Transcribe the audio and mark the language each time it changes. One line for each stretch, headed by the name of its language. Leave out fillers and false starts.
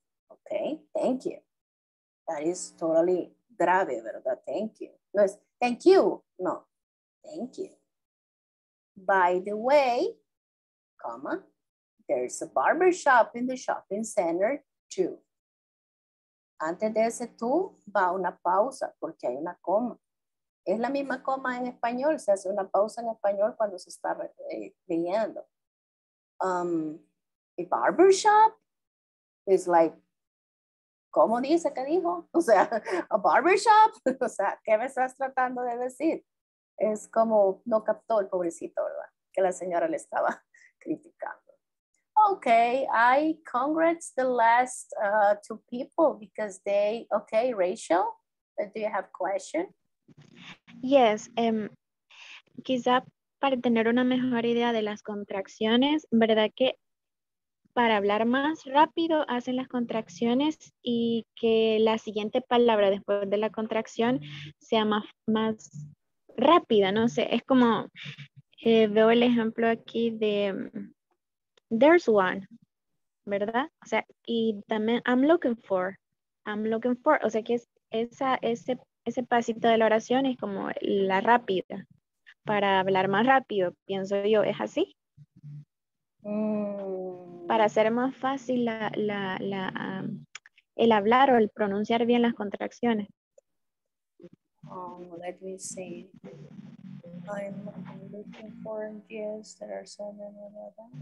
English: Okay, thank you. That is totally grave, ¿verdad? Thank you. Yes, thank you. No, thank you. By the way, comma, there's a barber shop in the shopping center too.
Spanish: Antes de ese tú, va una pausa porque hay una coma. Es la misma coma en español. Se hace una pausa en español cuando se está leyendo.
English: A barber shop is like,
Spanish: ¿cómo dice que dijo? O sea, a barbershop. O sea, ¿qué me estás tratando de decir? Es como no captó el pobrecito, ¿verdad? Que la señora le estaba criticando.
English: Okay, I congrats the last two people because they, okay, Rachel, do you have a question?
Spanish: Yes, quizá para tener una mejor idea de las contracciones, ¿verdad que para hablar más rápido hacen las contracciones y que la siguiente palabra después de la contracción sea más rápida? No sé, es como, veo el ejemplo aquí de
English: there's one,
Spanish: ¿verdad? O sea, y también
English: I'm looking for,
Spanish: o sea que es ese pasito de la oración es como la rápida, para hablar más rápido, pienso yo, ¿es así? Para hacer más fácil el hablar o el pronunciar bien las contracciones.
English: Let me see. I'm looking for, yes, there are so many of them.